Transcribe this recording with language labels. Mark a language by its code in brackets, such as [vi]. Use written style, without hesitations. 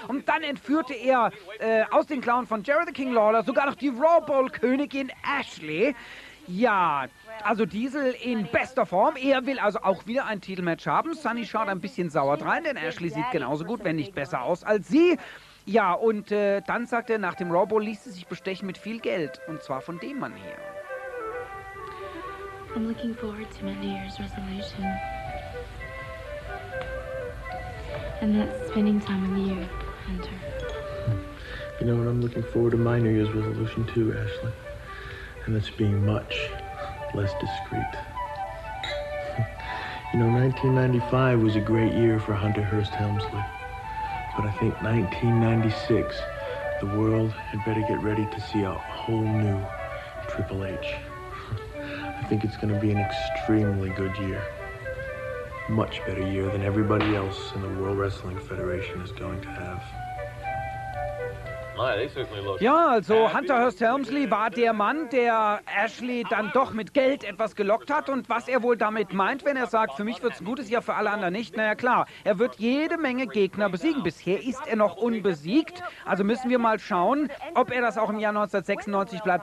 [de] Und dann entführte er aus den Klauen von Jerry the King Lawler sogar noch die Raw Bowl-Königin Ashley. Ja, also Diesel in bester Form. Er will also auch wieder ein Titelmatch haben. Sunny schaut ein bisschen sauer rein, denn Ashley sieht genauso gut, wenn nicht besser aus als sie. Ja, und dann sagt er, nach dem Raw Bowl ließ sie sich bestechen mit viel Geld. Und zwar von dem Mann hier. [en] I'm looking forward to my New Year's resolution. And that's spending time with you, Hunter. You know what, I'm looking forward to my New Year's resolution too, Ashley. And that's being much less discreet. You know, 1995 was a great year for Hunter Hearst Helmsley. But I think 1996, the world had better get ready to see a whole new Triple H. I think it's going to be an extremely good year. Much better year than everybody else in the World Wrestling Federation is going to have. [de] Ja, also Hunter Hearst Helmsley war der Mann, der Ashley dann doch mit Geld etwas gelockt hat. Und was er wohl damit meint, wenn er sagt, für mich wird es ein gutes Jahr, für alle anderen nicht. Naja, klar, er wird jede Menge Gegner besiegen. Bisher ist er noch unbesiegt. Also müssen wir mal schauen, ob er das auch im Jahr 1996 bleibt.